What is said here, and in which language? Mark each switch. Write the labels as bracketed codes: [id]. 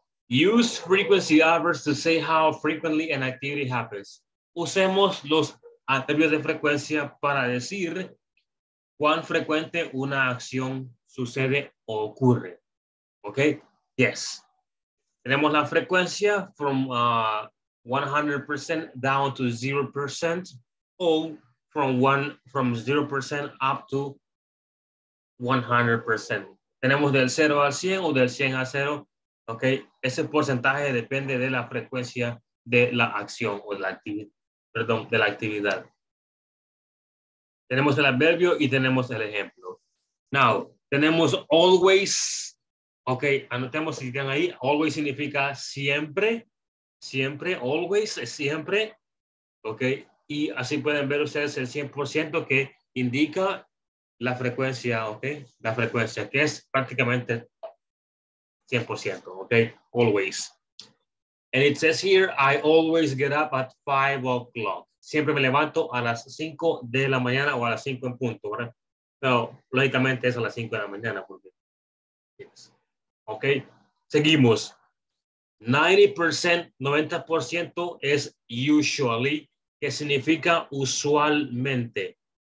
[en] Use frequency adverbs to say how frequently an activity happens. [es] Usemos los adverbios de frecuencia para decir cuán frecuente una acción sucede o ocurre. [en] Okay? Yes. [es] Tenemos la frecuencia [en] from 100% down to 0% or from 0% up to 100%. [es] Tenemos del 0 al 100 o del 100 a 0, okay? Ese porcentaje depende de la frecuencia de la acción o de la actividad. Tenemos el adverbio y tenemos el ejemplo. Now, tenemos always. Ok, anotemos si están ahí. Always significa siempre, siempre, always, siempre. Ok, y así pueden ver ustedes el 100% que indica la frecuencia, ok, la frecuencia, que es prácticamente 100%, ok, always. [en] And it says here, I always get up at 5 o'clock. [es] Siempre me levanto a las 5 de la mañana o a las 5 en punto, ¿verdad? Pero lógicamente es a las 5 de la mañana, porque. Yes. Okay, seguimos. 90%, 90% es usually, que significa usualmente.